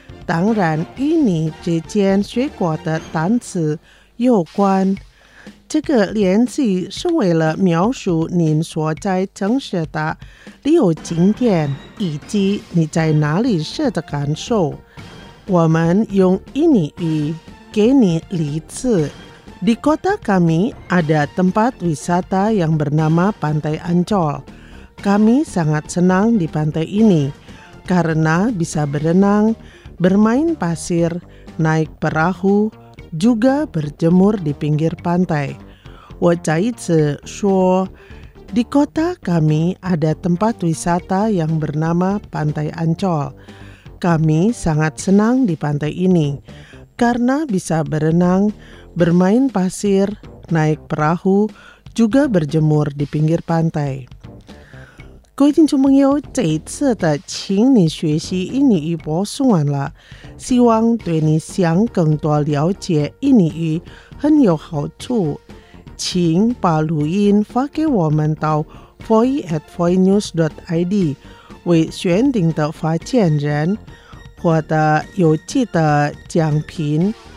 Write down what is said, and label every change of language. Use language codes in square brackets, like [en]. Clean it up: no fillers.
[zh] 当然，与你之间学过的单词有关。这个练习是为了描述您所在城市的旅游景点以及你在哪里时的感受。我们用印尼语给你例子。 [id] Di kota kami ada tempat wisata yang bernama Pantai Ancol. Kami sangat senang di pantai ini karena bisa berenang, bermain pasir, naik perahu, juga berjemur di pinggir pantai. [zh] 我再一次说 [id] ，Di kota kami ada tempat wisata yang bernama Pantai Ancol. Kami sangat senang di pantai ini karena bisa berenang, bermain pasir, naik perahu, juga berjemur di pinggir pantai. [zh] 各位听众朋友，这一次的请你学习印尼语播送完了，希望对你想更多了解印尼语很有好处。请把录音发给我们到 foy@foynews.id 为选定的发件人，获得邮寄的奖品。